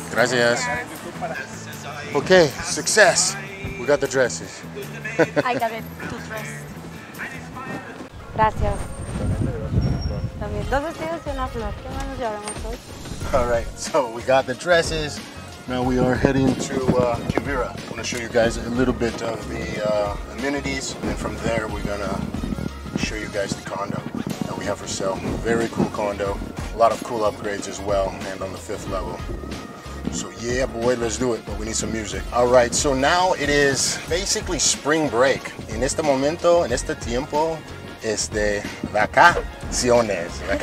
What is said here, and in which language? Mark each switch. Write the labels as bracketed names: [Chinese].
[English] Gracias. Ok, success. We got the dresses. I got two dresses. Gracias. [Spanish] También dos vestidos y una flor. ¿Qué más nos llevamos hoy? [English] All right, so we got the dresses. Now we are heading to Quivira. I'm gonna show you guys a little bit of the amenities, and then from there we're gonna show you guys the condo that we have for sale. Very cool condo, a lot of cool upgrades as well, and on the fifth level. So yeah, boy, let's do it, but we need some music. All right, so now it is basically spring break. [Spanish] En este momento, en este tiempo, es de vacaciones.